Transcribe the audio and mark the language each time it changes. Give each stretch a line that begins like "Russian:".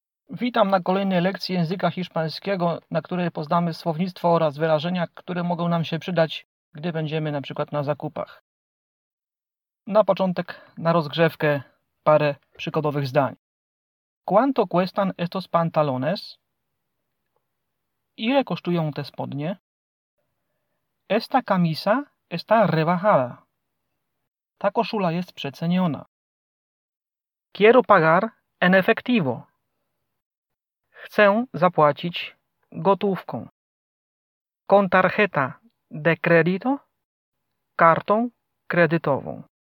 Polish: Witam na kolejnej lekcji języka hiszpańskiego, na której poznamy słownictwo oraz wyrażenia, które mogą nam się przydać, gdy będziemy na przykład na zakupach. Na początek, na rozgrzewkę, parę przykładowych zdań.
Spanish: ¿Cuánto cuestan estos pantalones?
Polish: Ile kosztują te spodnie?
Spanish: Esta camisa está rebajada.
Polish: Ta koszula jest przeceniona.
Spanish: Quiero pagar en efectivo.
Polish: Chcę zapłacić gotówką.
Spanish: Con tarjeta de crédito,
Polish: kartą kredytową.